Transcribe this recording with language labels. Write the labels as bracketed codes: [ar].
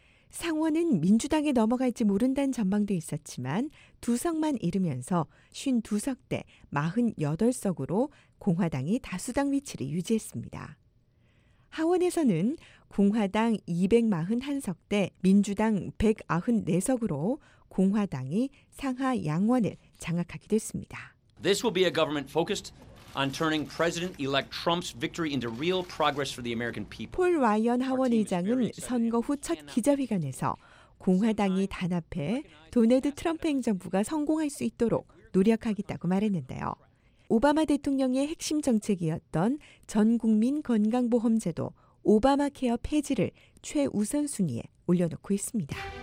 [ko] 상원은 민주당에 넘어갈지 모른다는 전망도 있었지만 2석만 잃으면서 52석 대 48석으로 공화당이 다수당 위치를 유지했습니다. 하원에서는 공화당 241석 대 민주당 194석으로 공화당이 상하 양원을 장악하게 됐습니다. [en] This will be a government focused on turning President-elect Trump's victory into real progress for the American people. [ko] 폴 와이언 하원의장은 선거 후 첫 기자회견에서 공화당이 단합해 도널드 트럼프 행정부가 성공할 수 있도록 노력하겠다고 말했는데요. 오바마 대통령의 핵심 정책이었던 전국민 건강보험제도 오바마 케어 폐지를 최우선순위에 올려놓고 있습니다.